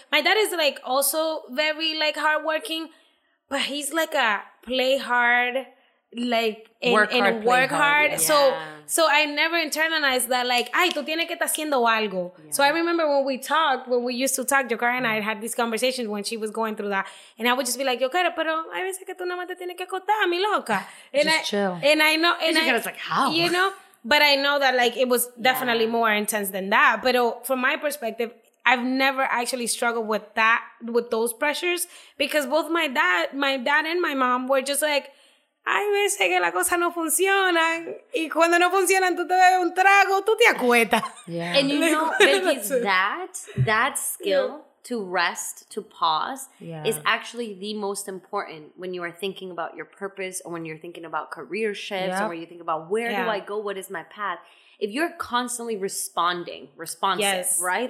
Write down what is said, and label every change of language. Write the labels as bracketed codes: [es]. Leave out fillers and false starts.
[en] My dad is, like, also very, like, hardworking. But he's, like, a play hard, like, work hard. Yeah. So I never internalized that, like, [es] ay, tú tienes que estar haciendo algo. [en] Yeah. So I remember when we used to talk, Yokara and I had these conversations when she was going through that. And I would just be like, [es] Yokara, pero hay veces que tú nada más te tienes que acostar, mi loca. [en] Just chill. And I know... And Yokara was like, how? You know? But I know that, like, it was definitely more intense than that. But from my perspective, I've never actually struggled with that, with those pressures. Because both my dad and my mom were just like, [es] ay, veces que la cosa no funciona. Y cuando no funcionan, tú te bebes un trago, tú te acuestas. [en] Yeah. And you know, that skill to rest, to pause, is actually the most important when you are thinking about your purpose or when you're thinking about career shifts or when you think about where do I go, what is my path. If you're constantly responsive, right?